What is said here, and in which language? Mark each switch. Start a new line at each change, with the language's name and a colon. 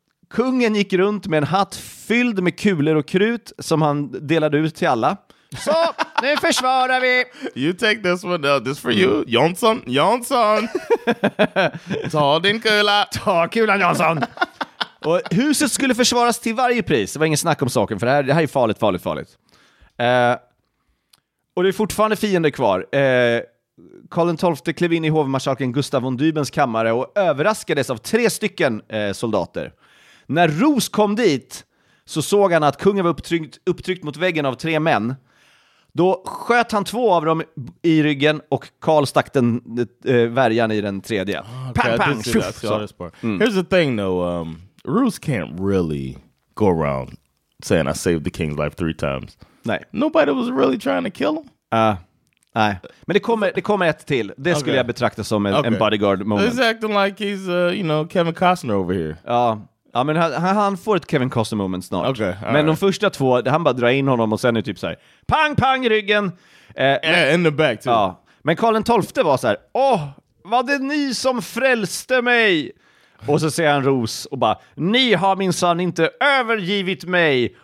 Swedish: Kungen gick runt med en hatt fylld med kulor och krut som han delade ut till alla. Så, nu försvarar vi.
English: You take this one, this for you, Jonsson.
Swedish: Jonsson. Ta din kula. Ta kulan, Jonsson. Och huset skulle försvaras till varje pris. Det var ingen snack om saken, för det här är farligt, farligt, farligt. Och det är fortfarande fiender kvar. Karl den 12:e klev in i hovmarskalken Gustav von Dybens kammare och överraskades av 3 stycken soldater. När Ros kom dit så såg han att kungen var upptryckt mot väggen av 3 män. Då sköt han 2 av dem i ryggen och Karl stack den värjan i den tredje. Pang, pang, tjuff.
English: Here's the thing though. Ruse can't really go around saying I saved the king's life 3 times.
Swedish: Nej.
English: Nobody was really trying to kill him.
Swedish: Nej. Men det kommer ett till. Det skulle jag betrakta som en bodyguard moment.
English: He's acting like he's, you know, Kevin Costner over here.
Swedish: Ja. Ja, men han får ett Kevin Costner moment snart.
English: Okay,
Swedish: men right. De första 2, han bara drar in honom och sen är typ så här, pang, pang i ryggen.
English: In the back too.
Swedish: Ja. Men Karl den 12:e var så här, åh, var det ni som frälste mig? Och så säger han Ros och bara, ni har minsann inte övergivit mig.